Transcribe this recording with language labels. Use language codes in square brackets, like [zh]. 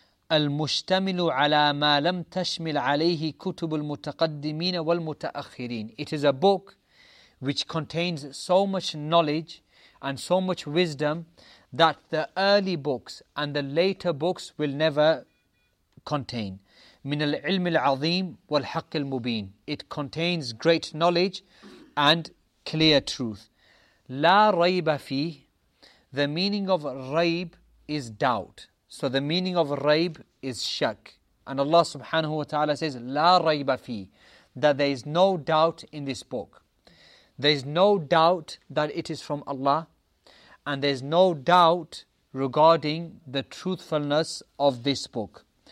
[ar] الْمُشْتَمِلُ عَلَى مَا لَمْ تَشْمِلْ عَلَيْهِ كُتُبُ الْمُتَقَدِّمِينَ وَالْمُتَأَخِّرِينَ. [en] It is a book which contains so much knowledge and so much wisdom that the early books and the later books will never contain. [ar] مِنَ الْعِلْمِ الْعَظِيمِ وَالْحَقِّ الْمُبِينِ. [en] It contains great knowledge and clear truth. [ar] La rayba fi, [en] the meaning of rayb is doubt. So the meaning of rayb is shak. And Allah subhanahu wa ta'ala says, [ar] La rayba fi, [en] that there is no doubt in this book. There is no doubt that it is from Allah. And there is no doubt regarding the truthfulness of this book.